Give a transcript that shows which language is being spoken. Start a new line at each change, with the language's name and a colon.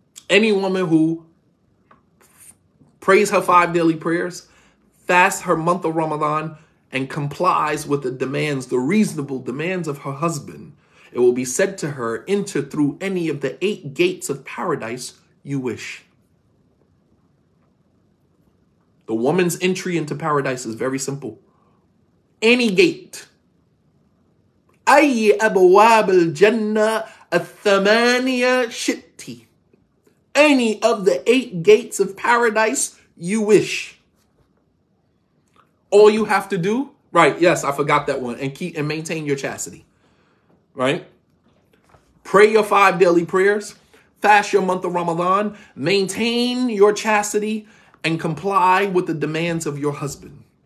English: Any woman who prays her 5 daily prayers, fasts her month of Ramadan, and complies with the demands, the reasonable demands of her husband, it will be said to her, enter through any of the 8 gates of paradise you wish. The woman's entry into paradise is very simple. Any gate.
Arabic: أي أبواب الجنة الثمانية شئتي.
English: Any of the 8 gates of paradise you wish. All you have to do, right, yes, I forgot that one, and maintain your chastity, right? Pray your 5 daily prayers, fast your month of Ramadan, maintain your chastity, and comply with the demands of your husband.